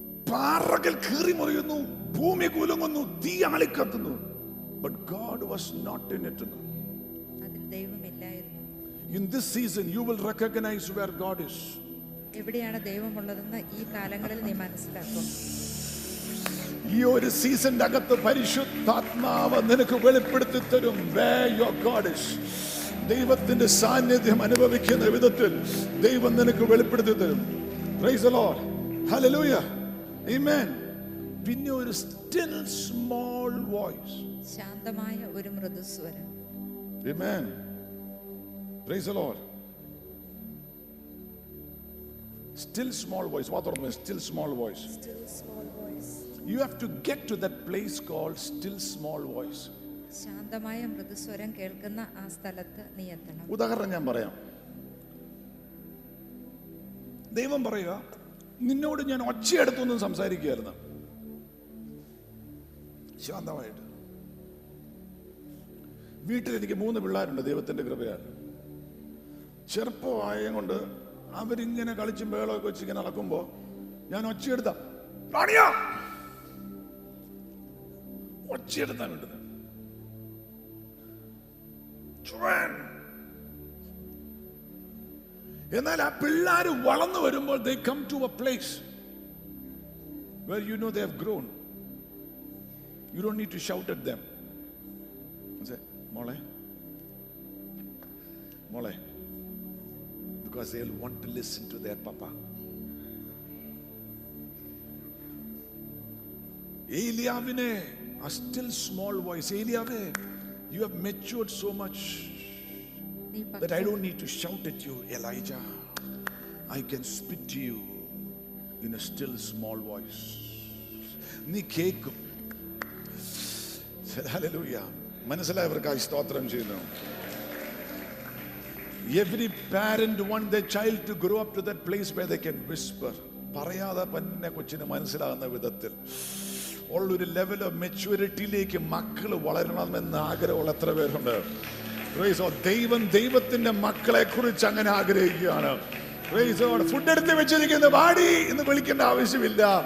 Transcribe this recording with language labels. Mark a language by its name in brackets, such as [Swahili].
[Malayalam] പാറകൾ കീറി മുറിയുന്നു, ഭൂമി കുലുങ്ങുന്നു, തീ ആളിക്കത്തുന്നു. [English] But God was not in it. [Malayalam] അതിൽ ദൈവമില്ലായിരുന്നു. [English] In this season you will recognize where God is. [Malayalam] എവിടെയാണ് ദൈവമുള്ളതെന്ന് ഈ കാലങ്ങളിൽ നീ മനസ്സിലാക്കും. ഈ ഒരു സീസണിന്റെ അകത്ത് പരിശുദ്ധാത്മാവ് നിനക്ക് വെളിപ്പെടുത്തി തരും. [English] Where your God is, [Malayalam] ദൈവത്തിന്റെ സാന്നിധ്യം അനുഭവിക്കുന്ന വിധത്തിൽ ദൈവം നിനക്ക് വെളിപ്പെടുത്തി തരും. [English] Praise the Lord. Hallelujah. Amen. [Malayalam] പിന്നെ ഒരു [English] still small voice, [Malayalam] ശാന്തമായ ഒരു മൃദുസ്വരം. [English] Amen. Praise the Lord. Still small voice. What are my still small voice? Still small voice. You have to get to that place called still small voice. [Malayalam] ശാന്തമായ മൃദുസ്വരം കേൾക്കുന്ന ആ സ്ഥലത്തെ നീ എത്തണം. ഉദാഹരണം ഞാൻ പറയാം. ദൈവം പറയുക, നിന്നോട് ഞാൻ ഒച്ചയെടുത്തൊന്നും സംസാരിക്കുകയായിരുന്നു, ശാന്തമായിട്ട്. വീട്ടിൽ എനിക്ക് 3 പിള്ളേരുണ്ട്, ദൈവത്തിന്റെ കൃപയാണ്. ചെറുപ്പമായ കൊണ്ട് അവരിങ്ങനെ കളിച്ചും ബേളൊക്കെ വെച്ച് ഇങ്ങനെ നടക്കുമ്പോ ഞാൻ ഒച്ചയെടുത്താണിയോ ഒച്ചയെടുത്താ കിട്ടുന്നത്. എന്നാൽ ആ പിള്ളേര് വളർന്നു വരുമ്പോൾ [English] They come to a place where you know they have grown. You don't need to shout at them. [Malayalam] മോളെ മോളെ, [English] because they'll want to listen to their papa. Eliyavine, a still small voice. Eliyave, you have matured so much that I don't need to shout at you, Elijah. I can speak to you in a still small voice. [Malayalam] Nee kekku. Hallelujah. Manasala avarkai stotram cheyunu. [English] Every parent wants their child to grow up to that place where they can whisper. [Malayalam] പറയാതെ തന്നെ കൊച്ചിന് മനസ്സിലാകുന്ന വിധത്തിൽ ഉള്ള ഒരു [English] level of മെച്യൂരിറ്റിയിലേക്ക് [Malayalam] മക്കൾ വളരണം എന്ന് ആഗ്രഹമുള്ള എത്ര പേരുണ്ട്? ദൈവം ദൈവത്തിന്റെ മക്കളെ കുറിച്ച് അങ്ങനെ ആഗ്രഹിക്കുകയാണ്. ഫുഡ് എടുത്ത് വെച്ചിരിക്കുന്ന ബാഡി എന്ന് വിളിക്കേണ്ട ആവശ്യമില്ല.